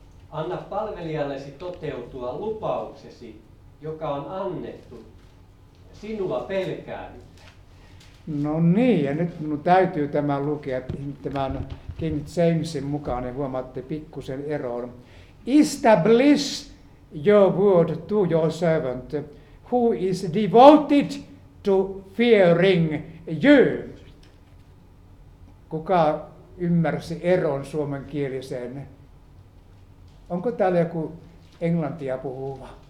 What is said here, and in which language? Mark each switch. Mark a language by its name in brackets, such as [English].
[Finnish] Anna palvelijallesi toteutua lupauksesi, joka on annettu sinua pelkään. No niin, ja nyt minun täytyy tämä lukea tämän King Jamesin mukaan, niin huomaatte pikkusen eron. [English] Establish your word to your servant, who is devoted to fearing you. [Finnish] Kuka ymmärsi eron suomen kieliseen? Onko täällä joku englantia puhuva?